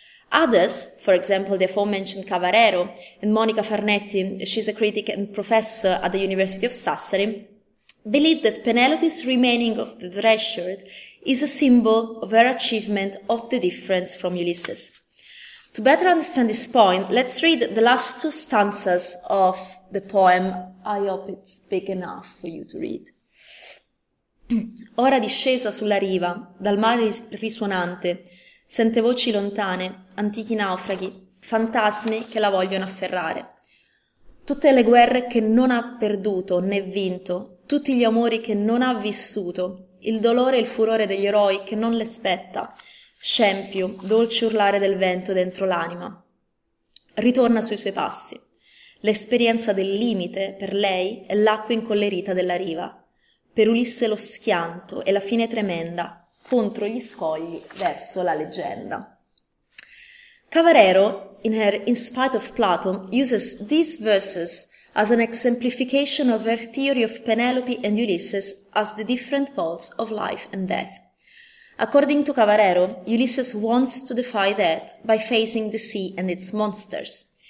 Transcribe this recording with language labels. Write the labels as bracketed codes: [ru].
[en] Others, for example the aforementioned Cavarero and Monica Farnetti, she's a critic and professor at the University of Sassari, believe that Penelope's remaining of the threshold is a symbol of her achievement of the difference from Ulysses. To better understand this point, let's read the last two stanzas of the poem. I hope it's big enough for you to read. [it] Ora discesa sulla riva, dal mare risuonante, sente voci lontane, antichi naufraghi, fantasmi che la vogliono afferrare. Tutte le guerre che non ha perduto né vinto, tutti gli amori che non ha vissuto, il dolore e il furore degli eroi che non le spetta, scempio, dolce urlare del vento dentro l'anima. Ritorna sui suoi passi. L'esperienza del limite per lei è l'acqua incollerita della riva. Per Ulisse lo schianto e la fine tremenda contro gli scogli verso la leggenda. [en] Cavarero, in her In Spite of Plato, uses these verses as an exemplification of her theory of Penelope and Ulysses as the different poles of life and death. According to Cavarero, Ulysses wants to defy death by facing the sea and its monsters.